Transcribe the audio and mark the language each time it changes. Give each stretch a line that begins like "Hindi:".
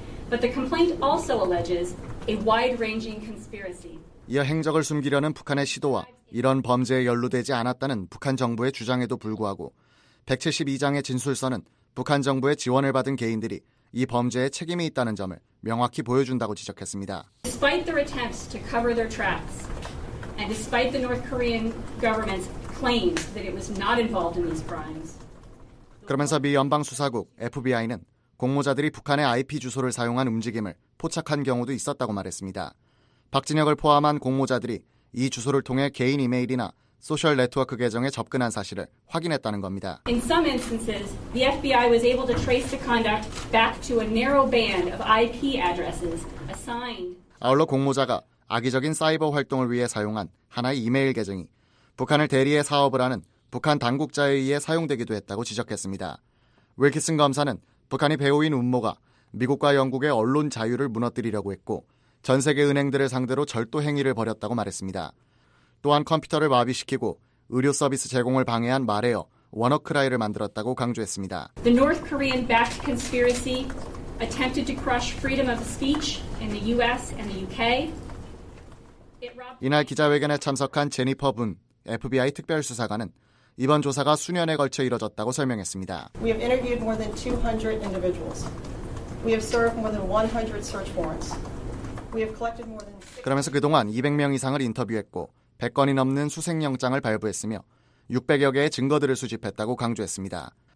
English: But the complaint also alleges a wide-ranging conspiracy.
Korean: 이어 행적을 숨기려는 북한의 시도와 이런 범죄에 연루되지 않았다는 북한 정부의 주장에도 불구하고 172장의 진술서는 북한 정부의 지원을 받은 개인들이 이 범죄에 책임이 있다는 점을 명확히 보여준다고 지적했습니다.
English: Despite their attempts to cover their tracks and despite the North Korean government's claims that it was not involved in these crimes.
Korean: 그러면서 미 연방수사국 FBI는 공모자들이 북한의 IP 주소를 사용한 움직임을 포착한 경우도 있었다고 말했습니다. 박진혁을 포함한 공모자들이 이 주소를 통해 개인 이메일이나 소셜 네트워크 계정에 접근한 사실을 확인했다는 겁니다.
English: In some instances, the FBI was able to trace the conduct back to a narrow band of IP addresses assigned.
Korean: 아울러 공모자가 악의적인 사이버 활동을 위해 사용한 하나의 이메일 계정이 북한을 대리해 사업을 하는 북한 당국자에 의해 사용되기도 했다고 지적했습니다. 윌키슨 검사는 북한이 배후인 음모가 미국과 영국의 언론 자유를 무너뜨리려고 했고 전 세계 은행들을 상대로 절도 행위를 벌였다고 말했습니다. 또한 컴퓨터를 마비시키고 의료 서비스 제공을 방해한 말에어 워너크라이를 만들었다고 강조했습니다.
English: The North Korean-backed conspiracy attempted to crush freedom of speech in the U.S. and the U.K.
Korean: 이날 기자회견에 참석한 제니퍼 분 FBI 특별수사관은 이번 조사가 수년에 걸쳐 이뤄졌다고 설명했습니다.
English: We have interviewed more than 200 individuals. We have served more than 100 search warrants. We have collected more than
Korean: 그러면서 그동안 200명 이상을 인터뷰했고 100건이 넘는 수색영장을 발부했으며 600여 개의 증거들을 수집했다고 강조했습니다.